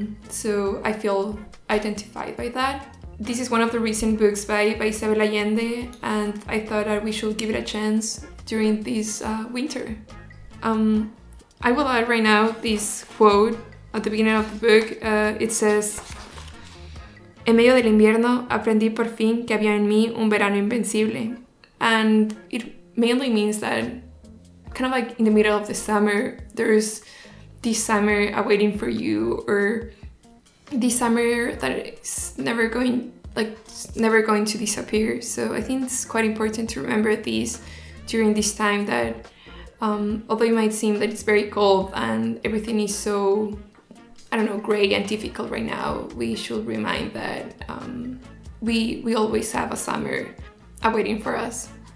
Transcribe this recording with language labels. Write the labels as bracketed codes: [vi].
[en] So I feel identified by that. This is one of the recent books by Isabel Allende, and I thought that we should give it a chance during this winter. I will add right now this quote at the beginning of the book. It says, [es] "En medio del invierno aprendí por fin que había en mí un verano invencible." [en] And it mainly means that, kind of like in the middle of the summer, there's this summer awaiting for you, or this summer that is never going to disappear. So I think it's quite important to remember this during this time that, although it might seem that it's very cold and everything is so, I don't know, gray and difficult right now, we should remind that we always have a summer awaiting for us.